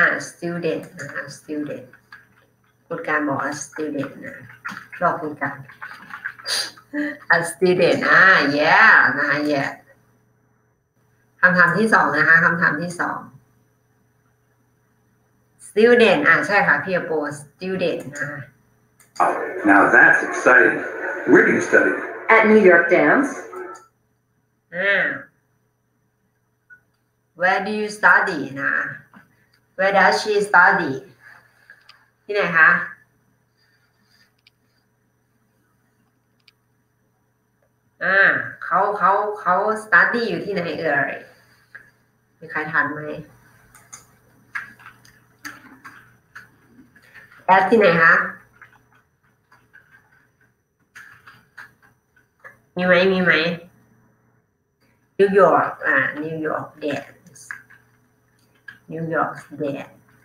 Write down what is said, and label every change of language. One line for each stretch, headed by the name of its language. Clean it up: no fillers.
Thai: student นะคะ student คุณการบอก student นะรอบคุณการ
English: a student yeah
Thai: นะคะ yeah คำถามที่2นะคะคำถามที่2 student ใช่ค่ะพี่โป student นะ
English: now that's exciting where do you study at New York Dance where do you study นะWhere does she study?
Thai: ที่ไหนคะ เขา study อยู่ที่ไหนเอ่ยมีใครทันไหม แอดที่ไหนคะมีไหม New York New York Dance New York dance.